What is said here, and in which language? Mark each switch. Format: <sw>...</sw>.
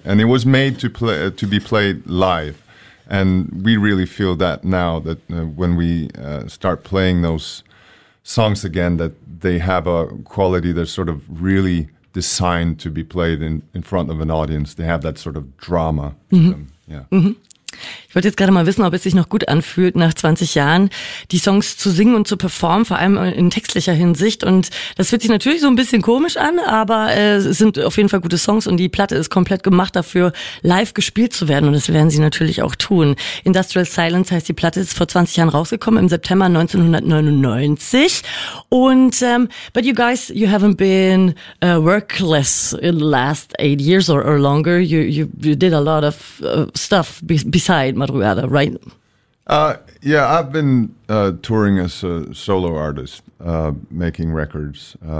<en>And it was made to be played live, and we really feel that now that when we start playing those songs again, that they have a quality that sort of really designed to be played in front of an audience. They have that sort of drama to them. Yeah.</en> <de>Ich wollte jetzt gerade mal wissen, ob es sich noch gut anfühlt, nach 20 Jahren die Songs zu singen und zu performen, vor allem in textlicher Hinsicht. Und das fühlt sich natürlich so ein bisschen komisch an, aber es sind auf jeden Fall gute Songs und die Platte ist komplett gemacht dafür, live gespielt zu werden. Und das werden sie natürlich auch tun. Industrial Silence heißt die Platte, ist vor 20 Jahren rausgekommen, im September 1999.</de> <en>Und but you guys, you haven't been workless in the last 8 years or longer. You did a lot of stuff beside Madrugada, right? Yeah, I've been touring as a solo artist, making records.</en>